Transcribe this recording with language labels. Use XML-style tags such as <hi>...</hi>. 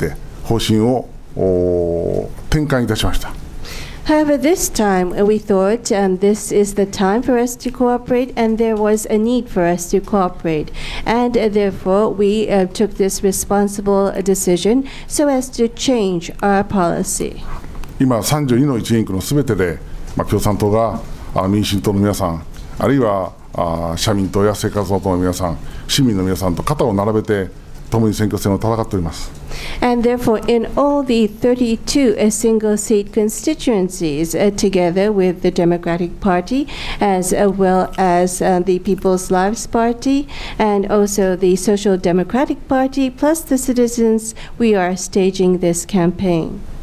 <ja>しかし、今回はまさに協力すべき時だし、そのことは協力することは私たちの責任だと考えて方針を転換いたしました。</ja> <en>However, this time we thought this is the time for us to cooperate, and there was a need for us to cooperate. And therefore, we took this responsible decision so as to change our policy.</en> <ja>今32の一人区のすべてで、共産党が民進党の皆さん、あるいは社民党や生活党の皆さん、市民の皆さんと肩を並べて、</ja> <en>And therefore, in all the 32 single-seat constituencies, together with the Democratic Party, as well as the People's Lives Party, and also the Social Democratic Party, plus the citizens, we are staging this campaign.</en>